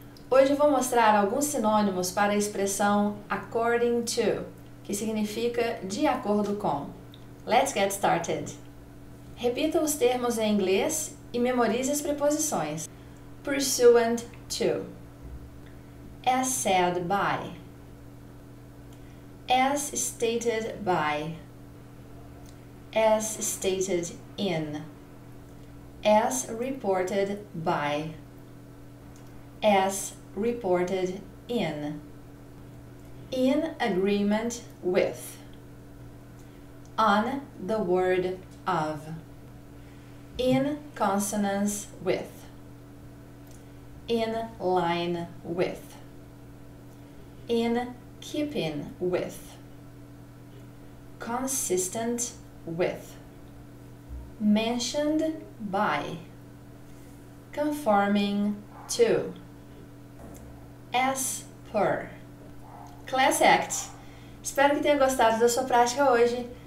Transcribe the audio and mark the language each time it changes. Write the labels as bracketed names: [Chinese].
[Portuguese] Hoje eu vou mostrar alguns sinônimos para a expressão according to, que significa de acordo com. [English] Let's get started! [Portuguese] Repita os termos em inglês e memorize as preposições. [English] Pursuant to. As said by, as stated by, as stated in, as reported in agreement with, on the word of, in consonance with, in line with. In keeping with, consistent with, mentioned by, conforming to, as per. Class Act! [Portuguese] Espero que tenha gostado da sua prática hoje.